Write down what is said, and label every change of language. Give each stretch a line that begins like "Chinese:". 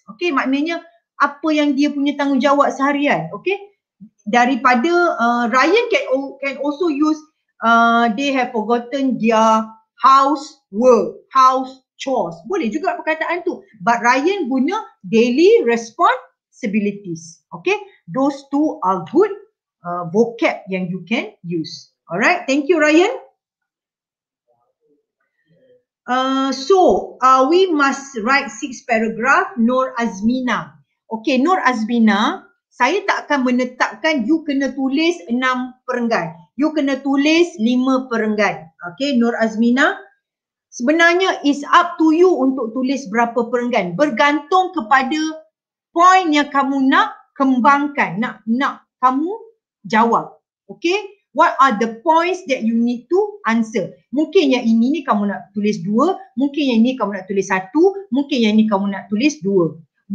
Malay: Okay, maknanya apa yang dia punya tanggungjawab seharian. Okay. Daripada
English: Ryan can also use they have forgotten their housework, house chores.
Malay: Boleh juga perkataan tu.
English: But
Malay: Ryan guna
English: daily responsibilities. Abilities. Okay, those two are good vocab
Malay: yang
English: you can use. Alright, thank you Ryan. So, we must write 6 paragraph, Nur Azmina. Okay, Nur Azmina,
Malay: saya tak akan menetapkan you kena tulis 6 perenggan. You kena tulis 5 perenggan. Okay, Nur Azmina. Sebenarnya
English: it's up to you
Malay: untuk tulis berapa perenggan. Bergantung kepada point yang kamu nak kembangkan. Nak kamu jawab.
English: Okay, what are the points that you need to answer?
Malay: Mungkin yang ini ni kamu nak tulis 2. Mungkin yang ini kamu nak tulis 1. Mungkin yang ini kamu nak tulis 2.